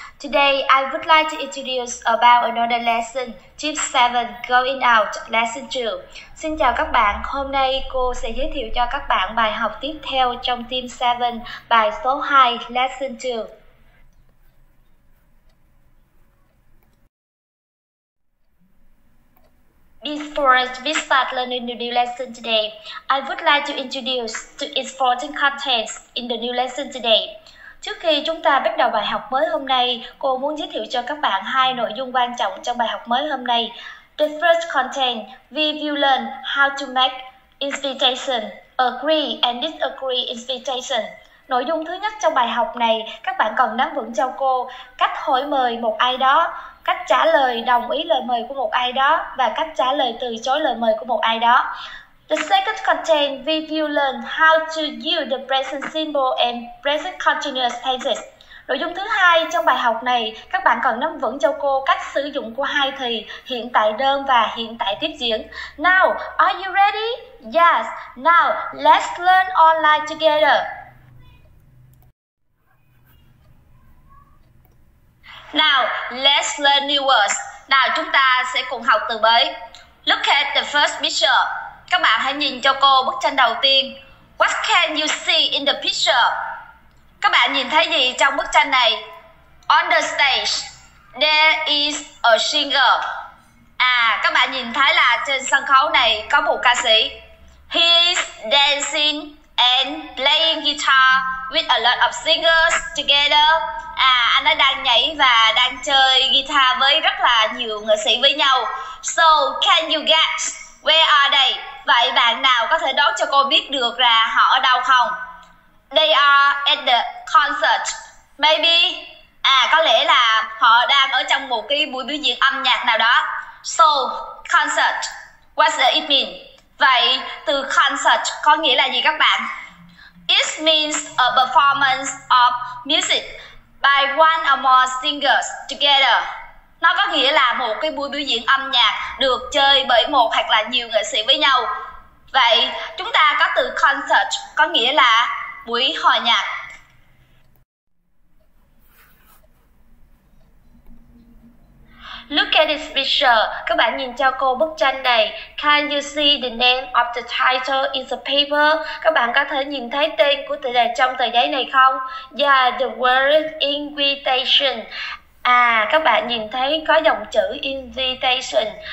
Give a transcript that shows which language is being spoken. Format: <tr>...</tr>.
<en>Today, I would like to introduce about another lesson, Tip 7, Going Out, Lesson 2.</en> <vi>Xin chào các bạn, hôm nay cô sẽ giới thiệu cho các bạn bài học tiếp theo trong Tip 7, bài số 2, Lesson 2.</vi> <en>Before we start learning the new lesson today, I would like to introduce the important contents in the new lesson today.</en> <vi>Trước khi chúng ta bắt đầu bài học mới hôm nay, cô muốn giới thiệu cho các bạn hai nội dung quan trọng trong bài học mới hôm nay.</vi> <en>The first content, we will learn how to make invitation, agree and disagree invitation.</en> <vi>Nội dung thứ nhất trong bài học này, các bạn cần nắm vững cho cô cách hỏi mời một ai đó, cách trả lời đồng ý lời mời của một ai đó và cách trả lời từ chối lời mời của một ai đó.</vi> <en>The second content, we will learn how to use the present simple and present continuous tenses.</en> <vi>Nội dung thứ hai trong bài học này, các bạn cần nắm vững cho cô cách sử dụng của hai thì hiện tại đơn và hiện tại tiếp diễn.</vi> <en>Now, are you ready? Yes. Now, let's learn online together. Now, let's learn new words.</en> <vi>Nào, chúng ta sẽ cùng học từ mới.</vi> <en>Look at the first picture.</en> <vi>Các bạn hãy nhìn cho cô bức tranh đầu tiên.</vi> <en>What can you see in the picture?</en> <vi>Các bạn nhìn thấy gì trong bức tranh này?</vi> <en>On the stage, there is a singer.</en> <vi>À, các bạn nhìn thấy là trên sân khấu này có một ca sĩ.</vi> <en>He is dancing and playing guitar with a lot of singers together.</en> <vi>À, anh ấy đang nhảy và đang chơi guitar với rất là nhiều nghệ sĩ với nhau.</vi> <en>So, can you guess where are they?</en> <vi>Vậy bạn nào có thể đoán cho cô biết được là họ ở đâu không?</vi> <en>They are at the concert. Maybe.</en> <vi>À, có lẽ là họ đang ở trong một cái buổi biểu diễn âm nhạc nào đó.</vi> <en>So, concert. What does it mean?</en> <vi>Vậy, từ concert có nghĩa là gì các bạn?</vi> <en>It means a performance of music by one or more singers together.</en> <vi>Nó có nghĩa là một cái buổi biểu diễn âm nhạc được chơi bởi một hoặc là nhiều nghệ sĩ với nhau. Vậy, chúng ta có từ concert có nghĩa là buổi hòa nhạc.</vi> <en>Look at this picture.</en> <vi>Các bạn nhìn cho cô bức tranh này.</vi> <en>Can you see the name of the title in the paper?</en> <vi>Các bạn có thể nhìn thấy tên của tờ giấy trong tờ giấy này không?</vi> <en>Yeah, the word invitation.</en> <vi>À, các bạn nhìn thấy có dòng chữ invitation.</vi>